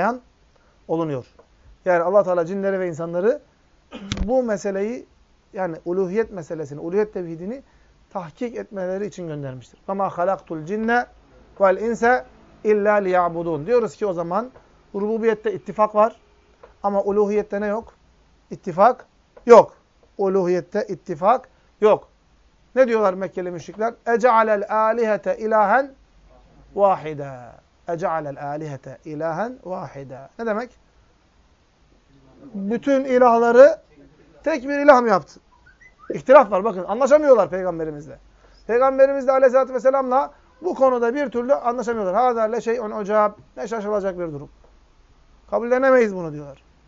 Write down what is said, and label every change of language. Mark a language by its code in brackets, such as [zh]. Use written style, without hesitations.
[tr] Beyan olunuyor. Yani Allah-u Teala cinleri ve insanları bu meseleyi, yani uluhiyet meselesini, uluhiyet tevhidini tahkik etmeleri için göndermiştir. [ar] وَمَا خَلَقْتُ الْجِنَّ وَالْاِنْسَ اِلَّا لِيَعْبُدُونَ [tr] Diyoruz ki o zaman rububiyette ittifak var ama uluhiyette ne yok? İttifak yok. Uluhiyette ittifak yok. Ne diyorlar Mekkeli müşrikler? [ar] اَجَعَلَ الْاَلِهَةَ اِلَٰهًا وَاحِدًا اَجَعَلَ الْاَلِهَةَ اِلَٰهًا وَاحِدًا [tr] Ne demek? Bütün ilahları tek bir ilah mı yaptı? İhtilaf var bakın. Anlaşamıyorlar peygamberimizle. Peygamberimizle aleyhissalatü vesselamla bu konuda bir türlü anlaşamıyorlar. [ar] Hâzâ le şey'un ucâb. [tr] Ne şaşılacak bir durum. Kabullenemeyiz bunu diyorlar.